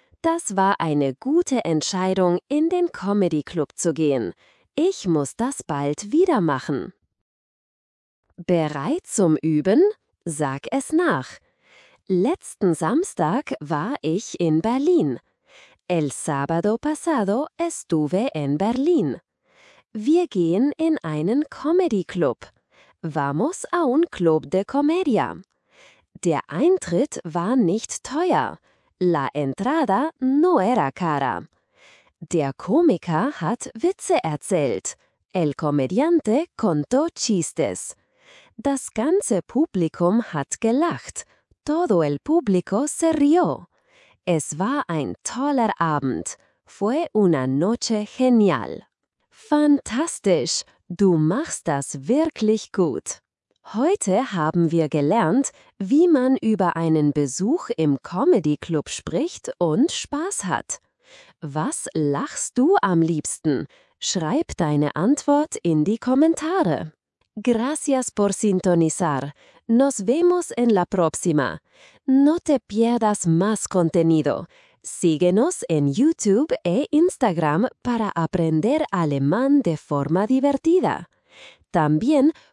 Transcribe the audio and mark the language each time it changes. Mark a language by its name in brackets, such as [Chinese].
[German] Das war eine gute Entscheidung, in den Comedy Club zu gehen. Ich muss das bald wieder machen. Bereit zum Üben? Sag es nach. Letzten Samstag war ich in Berlin. [Spanish] El sábado pasado estuve en Berlín. [German] Wir gehen in einen Comedy Club. [Spanish] Vamos a un club de comedia. [German] Der Eintritt war nicht teuer. [Spanish] La entrada no era cara. [German] Der Komiker hat Witze erzählt. El comediante contó chistes. Das ganze Publikum hat gelacht. [Spanish] Todo el público se rió. [German] Es war ein toller Abend. [Spanish] Fue una noche genial. Fantastisch! [German] Du machst das wirklich gut. Heute haben wir gelernt, wie man über einen Besuch im Comedy Club spricht und Spaß hat. Was lachst du am liebsten? Schreib deine Antwort in die Kommentare. [Spanish] Gracias por sintonizar. Nos vemos en la próxima. No te pierdas más contenido. Síguenos en YouTube e Instagram para aprender alemán de forma divertida. También